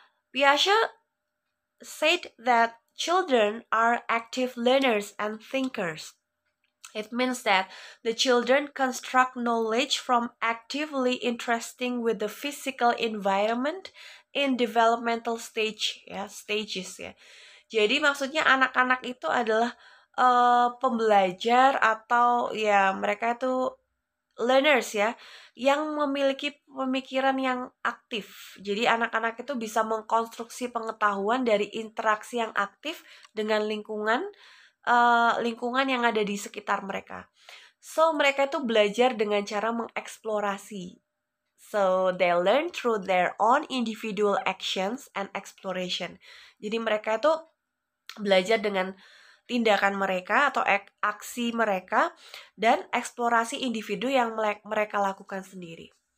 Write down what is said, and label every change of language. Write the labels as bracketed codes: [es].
[en] Piaget said that children are active learners and thinkers. It means that the children construct knowledge from actively interacting with the physical environment in developmental stage, yeah, stages, ya. Yeah. [id] Jadi maksudnya anak-anak itu adalah pembelajar atau ya mereka itu learners ya yang memiliki pemikiran yang aktif. Jadi anak-anak itu bisa mengkonstruksi pengetahuan dari interaksi yang aktif dengan lingkungan lingkungan yang ada di sekitar mereka. So mereka itu belajar dengan cara mengeksplorasi. [en] So they learn through their own individual actions and exploration. [id] Jadi mereka itu belajar dengan tindakan mereka atau aksi mereka dan eksplorasi individu yang mereka lakukan sendiri.